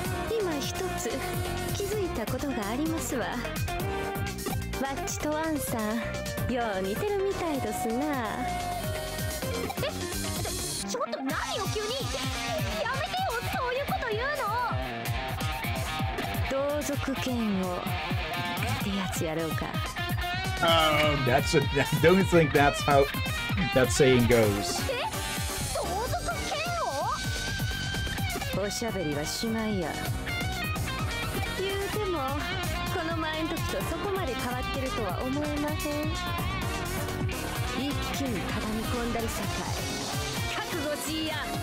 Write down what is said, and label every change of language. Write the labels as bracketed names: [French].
[Japanese] 今一つ気づいたことがありますわ。ワッチとアンさん、よう似てるみたいですな。ちょっと何を急に。やめてよ、そういうこと言うの。同族嫌悪ってやつやろうか。 [English] That's a, don't think that's how that saying goes. [Japanese] 同族嫌悪？おしゃべりはしまいや。言うてもこの前の時とそこまで変わってるとは思えません。一気に畳み込んだりさかい。覚悟しや。